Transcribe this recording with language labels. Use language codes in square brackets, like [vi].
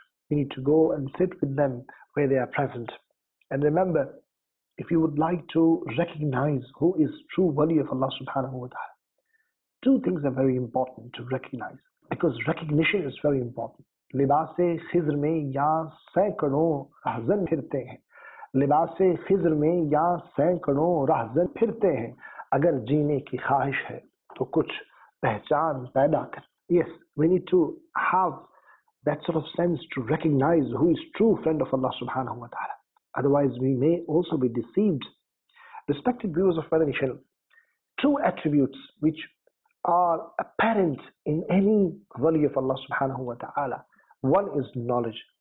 [en] We need to go and sit with them where they are present. And remember, if you would like to recognize who is true wali of Allah subhanahu wa ta'ala, two things are very important to recognize, because recognition is very important. [ur] Libase khizr mein ya sankano ahzan phirte hain. لباسِ خضر میں یا سینکڑوں رہزن پھرتے ہیں اگر جینے کی خواہش ہے تو کچھ پہچان پیدا کر. [en] Yes, we need to have that sort of sense to recognize who is true friend of Allah subhanahu wa ta'ala. Otherwise, we may also be deceived. Respected viewers of Madani Channel, two attributes which are apparent in any wali of Allah subhanahu wa ta'ala. One is knowledge.